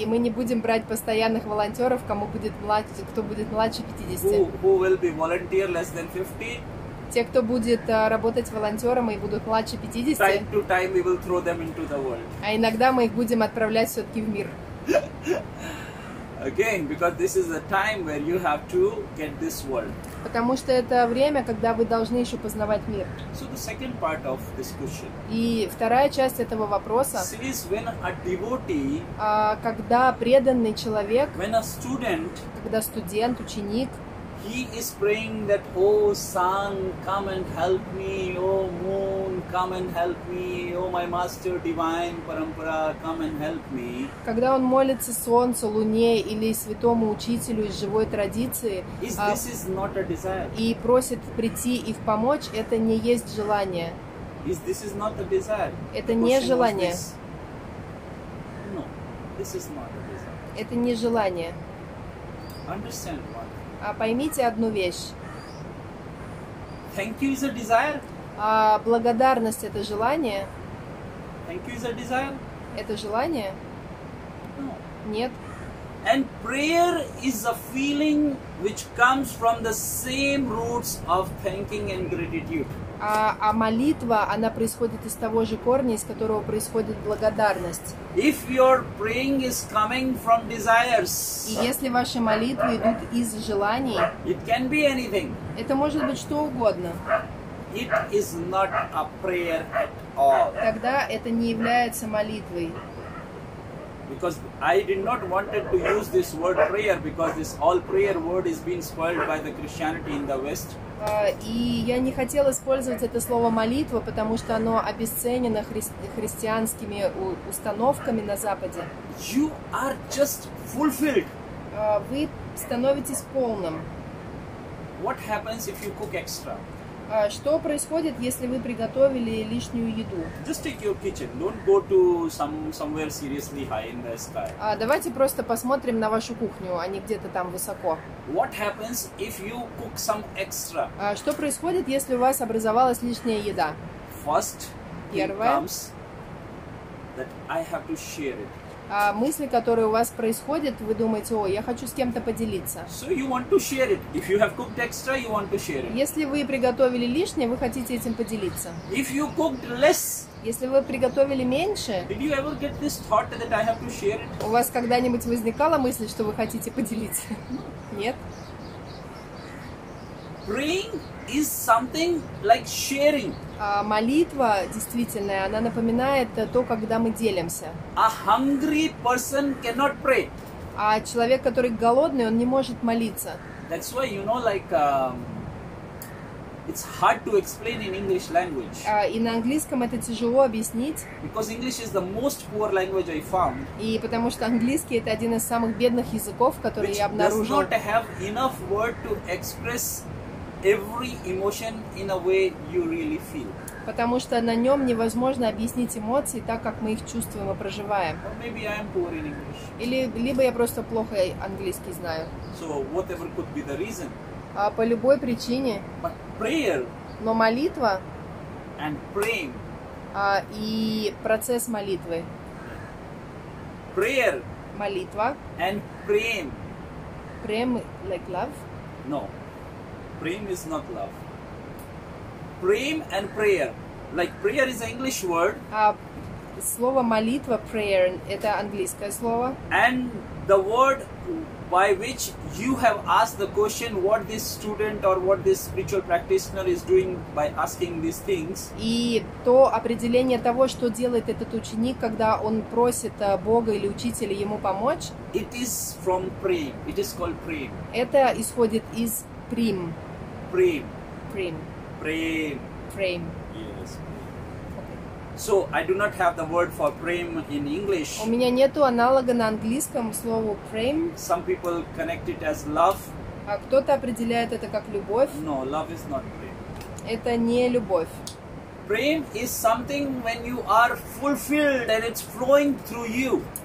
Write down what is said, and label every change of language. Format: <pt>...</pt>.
<ru>И мы не будем брать постоянных волонтеров, кто будет младше 50.</ru> <en>Who will be volunteer less than 50?</en> <ru>Те, кто будет работать волонтером и будут младше 50.</ru> <en>Time to time we will throw them into the world.</en> <ru>А иногда мы их будем отправлять все-таки в мир.</ru> <en>Again, because this is a time where you have to get this world.</en> <ru>Потому что это время, когда вы должны еще познавать мир.</ru> <en>So the second part of this question.</en> <ru>И вторая часть этого вопроса.</ru> <en>Is when a devotee.</en> <ru>Когда преданный человек.</ru> <en>When a student.</en> <ru>Когда студент, ученик.</ru> <en>He is praying that, O sun, come and help me. O moon, come and help me. O my master, divine parampara, come and help me.</en> <ru>Когда он молится солнцу, луне или святому учителю из живой традиции,</ru> <en>this is not a desire.</en> <ru>И просит прийти и помочь, это не есть желание.</ru> <en>Is this is not a desire?</en> <ru>Это не желание.</ru> <en>No, this is not a desire.</en> <ru>Это не желание.</ru> <en>Understand what?</en> <ru>А поймите одну вещь.</ru> <en>Thank you is a desire.</en> <ru>Благодарность это желание.</ru> <en>Thank you is a desire.</en> <ru>Это желание? Нет.</ru> <en>And prayer is a feeling which comes from the same roots of thanking and gratitude.</en> <ru>А молитва, она происходит из того же корня, из которого происходит благодарность.</ru> <en>If your praying is coming from desires.</en> <ru>И если ваши молитвы идут из желаний.</ru> <en>It can be anything.</en> <ru>Это может быть что угодно.</ru> <en>It is not a prayer at all.</en> <ru>Тогда это не является молитвой.</ru> <en>Because I did not wanted to use this word prayer, because this all prayer word is being spoiled by the Christianity in the West.</en> <ru>И я не хотел использовать это слово молитва, потому что оно обесценено христианскими установками на Западе.</ru> <en>You are just fulfilled.</en> <ru>Вы становитесь полным.</ru> <en>What happens if you cook extra?</en> <ru>Что происходит, если вы приготовили лишнюю еду?</ru> <en>Just take your kitchen. Don't go to somewhere seriously high in the sky.</en> <ru>Давайте просто посмотрим на вашу кухню, а не где-то там высоко.</ru> <en>What happens if you cook some extra?</en> <ru>Что происходит, если у вас образовалась лишняя еда?</ru> <en>First,</en> <ru>первое,</ru> <en>comes that I have to share it.</en> <ru>Мысли, которые у вас происходят, вы думаете, о, я хочу с кем-то поделиться.</ru> <en>So you want to share it. If you have cooked extra, you want to share it.</en> <ru>Если вы приготовили лишнее, вы хотите этим поделиться.</ru> <en>If you cooked less,</en> <ru>если вы приготовили меньше,</ru> <en>did you ever get this thought that I have to share it?</en> <ru>У вас когда-нибудь возникала мысль, что вы хотите поделиться? Нет?</ru> <en>Praying is something like sharing.</en> <ru>Молитва действительно, она напоминает то, когда мы делимся.</ru> <en>A hungry person cannot pray.</en> <ru>А человек, который голодный, он не может молиться.</ru> <en>That's why, you know, like, it's hard to explain in English language.</en> <ru>И на английском это тяжело объяснить.</ru> <en>Because English is the most poor language I found.</en> <ru>И потому что английский это один из самых бедных языков, который я обнаружил.</ru> <en>Which does not have enough word to express every emotion in a way you really feel.</en> <ru>Потому что на нем невозможно объяснить эмоции так, как мы их чувствуем и проживаем.</ru> <en>Or maybe I am poor in English.</en> <ru>Или либо я просто плохо английский знаю.</ru> <en>So whatever could be the reason.</en> <ru>По любой причине.</ru> <en>But prayer.</en> <ru>Но молитва.</ru> <en>And praying.</en> <ru>И процесс молитвы.</ru> <en>Prayer.</en> <ru>Молитва.</ru> <en>And praying. Prem, like love? No. Prem is not love. Prem and prayer. Like prayer is an English word.</en> <ru>Слово молитва, prayer, это английское слово.</ru> <en>And the word by which you have asked the question, what this student or what this spiritual practitioner is doing by asking these things.</en> <ru>И то определение того, что делает этот ученик, когда он просит Бога или учителя ему помочь.</ru> <en>It is from prem. It is called prem.</en> <ru>Это исходит из prem.</ru> <en>Prem. Prem. Prem. Prem. Yes. So I do not have the word for prem in English.</en> <ru>У меня нету аналога на английском слову prem.</ru> <en>Some people connect it as love.</en> <ru>А кто-то определяет это как любовь?</ru> <en>No, love is not prem.</en> <ru>Это не любовь.</ru> <en>Prem is something when you are fulfilled and it's flowing through you.</en>